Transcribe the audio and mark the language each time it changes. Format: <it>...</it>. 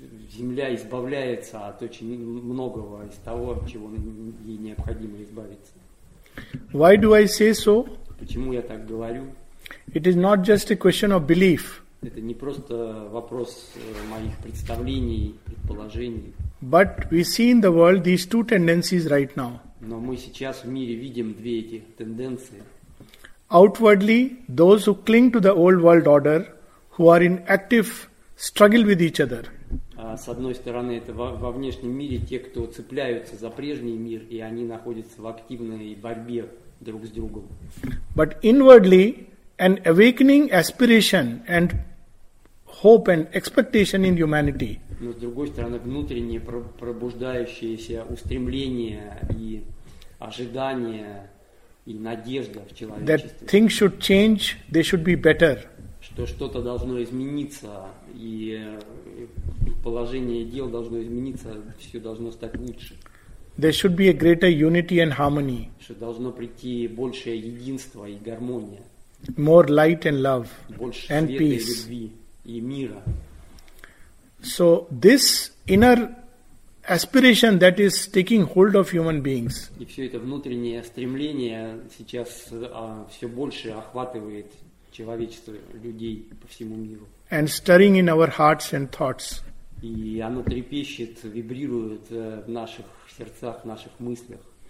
<ru>Земля избавляется от очень многого из того, от чего ей необходимо избавиться.</ru> <en>Why do I say so?</en> <ru>Почему я так говорю?</ru> <en>It is not just a question of belief.</en> <ru>Это не просто вопрос моих представлений, предположений.</ru> <en>But we see in the world these two tendencies right now.</en> <ru>Но мы сейчас в мире видим две эти тенденции.</ru> <en>Outwardly, those who cling to the old world order, who are in active struggle with each other.</en> <ru>С одной стороны, это во внешнем мире те, кто цепляются за прежний мир, и они находятся в активной борьбе друг с другом.</ru> <en>But inwardly, an awakening aspiration and hope and expectation in humanity.</en> <ru>Но с другой стороны, внутреннее пробуждающееся устремление и ожидание и надежда в человечестве.</ru> <en>That things should change, they should be better.</en> <ru>Что что-то должно измениться, и положение дел должно измениться, все должно стать лучше.</ru> <en>There should be a greater unity and harmony.</en> <ru>Что должно прийти большее единство и гармония.</ru> <en>More light and love</en> <ru>больше</ru> <en>and</en> <ru>света</ru> <en>peace.</en> <ru>И любви и мира.</ru> <en>So this inner aspiration that is taking hold of human beings.</en> <ru>И все это внутреннее стремление сейчас все больше охватывает человечество, людей по всему миру.</ru> <en>And stirring in our hearts and thoughts.</en> <ru>И оно трепещет, вибрирует в наших сердцах, в наших мыслях.</ru>